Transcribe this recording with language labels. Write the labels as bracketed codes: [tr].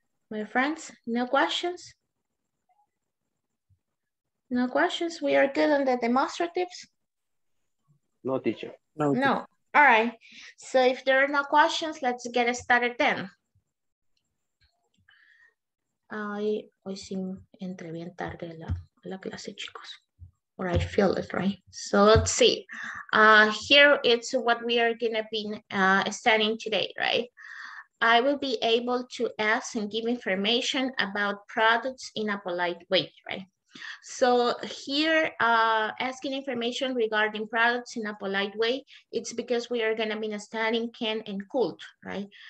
[en] My friends, no questions? No questions? We are good on the demonstratives? No, teacher. No. All right. So if there are no questions, let's get started then. [es] Hoy sí entré bien tarde a la clase, chicos. [en] Or I feel it, right? So let's see. Here it's what we are going to be studying today, right? I will be able to ask and give information about products in a polite way, right? So here, asking information regarding products in a polite way, it's because we are going to be studying can and could, right?